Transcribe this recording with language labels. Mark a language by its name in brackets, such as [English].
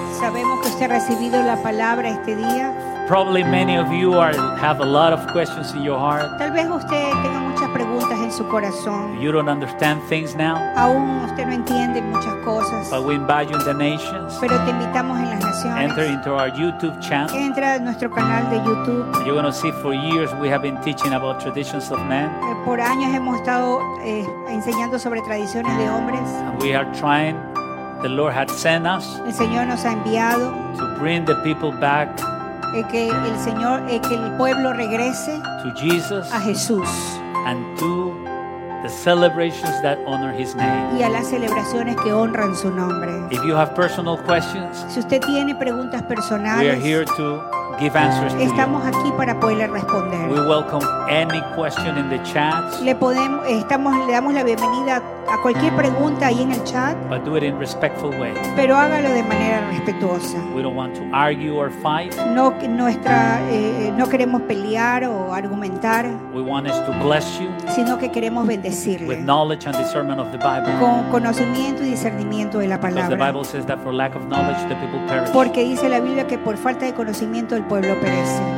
[Spanish] Sabemos que usted ha recibido la palabra este día. [English] Probably many of you have a lot of questions in your heart. [Spanish] Tal vez usted tenga muchas preguntas en su corazón. [English] You don't understand things now. [Spanish] Aún usted no entiende muchas cosas. [English] But we invite you in the nations. [Spanish] Pero te invitamos en las naciones. [English] Enter into our YouTube channel. [Spanish] Entra a nuestro canal de YouTube. [English] You're going to see for years we have been teaching about traditions of men. [Spanish] Por años hemos estado enseñando sobre tradiciones de hombres. [English] And we are trying. The Lord had sent us. [Spanish] El Señor nos ha enviado. [English] To bring the people back. [Spanish] Que el Señor, que el pueblo regrese. [English] To Jesus. [Spanish] A Jesús. [English] And to the celebrations that honor His name. [Spanish] Y a las celebraciones que honran su nombre. [English] If you have personal questions. [Spanish] Si usted tiene preguntas personales. [English] We are here to give answers. [Spanish] Estamos [English] to you. [Spanish] Aquí para poderle responder. [English] We welcome any question in the chat. [Spanish] Le damos la bienvenida a cualquier pregunta ahí en el chat. [English] But do it in respectful way. [Spanish] Pero hágalo de manera respetuosa. [English] We don't want to argue or fight. [Spanish] No queremos pelear o argumentar. [English] We want us to bless you. [Spanish] Sino que queremos bendecirle. [English] With knowledge and discernment of the Bible. [Spanish] Con conocimiento y discernimiento de la palabra. [English] Because the Bible says that for lack of knowledge the people perish. [Spanish] Porque dice la Biblia que por falta de conocimiento el pueblo perece.